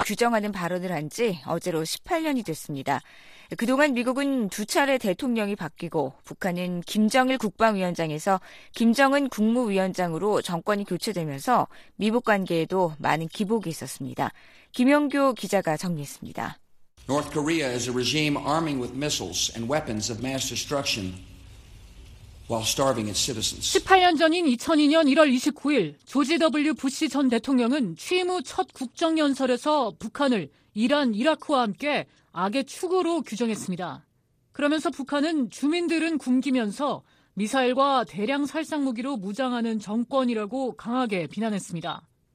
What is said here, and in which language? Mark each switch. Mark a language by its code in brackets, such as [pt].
[ko] 규정하는 발언을 한 지 어제로 18년이 됐습니다. 그동안 미국은 두 차례 대통령이 바뀌고 북한은 김정일 국방위원장에서 김정은 국무위원장으로 정권이 교체되면서 미북 관계에도 많은 기복이 있었습니다. 김영규 기자가 정리했습니다. [en] North Korea is a regime arming with missiles and weapons of mass destruction while starving its citizens. [ko] 18년 전인 2002년 1월 29일 조지 W. 부시 전 대통령은 취임 후 첫 국정연설에서 북한을 이란, 이라크와 함께 악의 축으로 규정했습니다. 그러면서 북한은 주민들은 굶기면서 미사일과 대량 살상무기로 무장하는 정권이라고 강하게 비난했습니다.